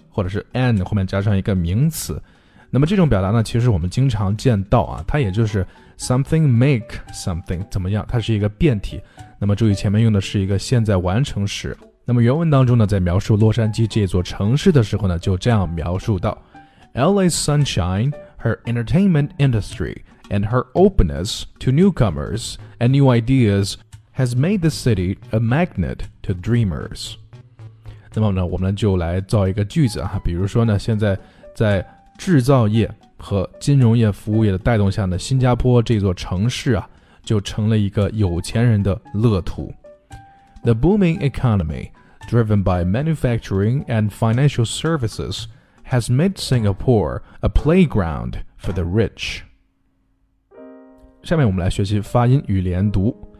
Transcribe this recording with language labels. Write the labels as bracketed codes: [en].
[zh] 或者是 an 后面加上一个名词。那么这种表达呢，其实我们经常见到啊，它也就是 [en] something make something [zh] 怎么样，它是一个变体。那么注意前面用的是一个现在完成时。那么原文当中呢，在描述洛杉矶这座城市的时候呢，就这样描述到 [en] LA's sunshine, her entertainment industry, and her openness to newcomers and new ideas has made the city a magnet to dreamers. [zh] 那么呢，我们就来造一个句子啊，比如说呢，现在在制造业和金融业服务业的带动下呢，新加坡这座城市啊，就成了一个有钱人的乐土。 [en] The booming economy, driven by manufacturing and financial services, has made Singapore a playground for the rich. [zh] 下面我们来学习发音与连读。